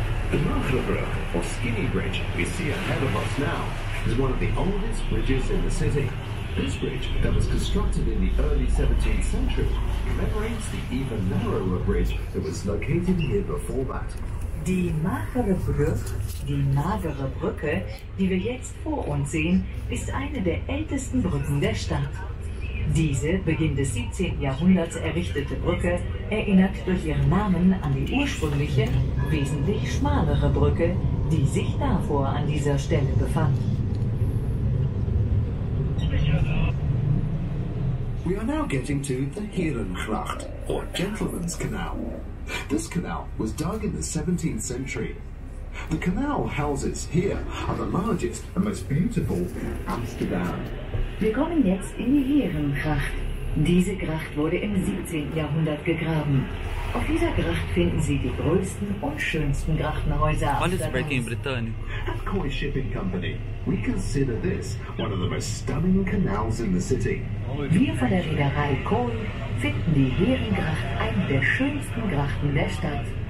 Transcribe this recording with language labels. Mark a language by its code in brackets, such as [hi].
[en] The Marshallbrook, or Skinny Bridge, we see ahead of us now, is one of the oldest bridges in the city. This bridge, that was constructed in the early 17th century, commemorates the even narrower bridge that was located here before that. [de] Die magere Brücke, die magere Brücke, die wir jetzt vor uns sehen, ist eine der ältesten Brücken der Stadt. Diese Beginn des 17. Jahrhunderts errichtete Brücke erinnert durch ihren Namen an die ursprüngliche, wesentlich schmalere Brücke, die sich davor an dieser Stelle befand. [en] We are now getting to the Herenschlacht, or Gentleman's Canal. This canal was dug in the 17th century. The canal houses here are the largest and most beautiful in Amsterdam. [de] Wir kommen jetzt in die Herengracht. Diese Gracht wurde im 17. Jahrhundert gegraben. Auf dieser Gracht finden Sie die größten und schönsten Grachtenhäuser Amsterdams. [en] At Koi Shipping Company, we consider this one of the most stunning canals in the city. [de] Wir von der Reederei Koi finden die Herengracht eine der schönsten Grachten der Stadt.